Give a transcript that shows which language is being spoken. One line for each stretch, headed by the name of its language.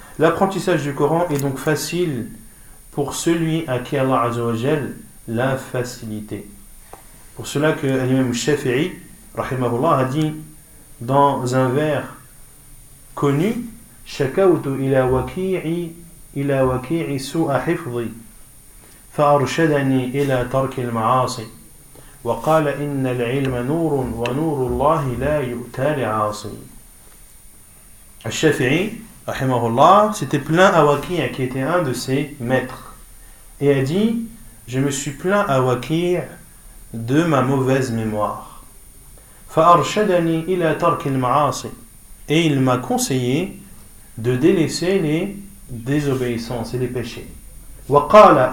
French: L'apprentissage du Coran est donc facile pour celui à qui Allah Azza wa Jalla l'a facilité. Pour cela que l'imam Shafi'i, rahimahullah, a dit dans un vers connu,
Arabic: Shakawtu ila waki'i su'a hifzi. فأرشدني إلى ترك المعاصي وقال إن العلم نور ونور الله لا يؤتى لعاصي. الشافعي
French: rahimahullah, c'était plein à Waqi'a, qui était un de ses maîtres. Et a dit, je me suis plaint à Waqi'a de ma mauvaise mémoire.
Arabic: فَأَرْشَدَنِي إِلَى تَرْكِ الْمَعَاصِ.
French: Et il m'a conseillé de délaisser les désobéissances et les péchés. وَقَالَ.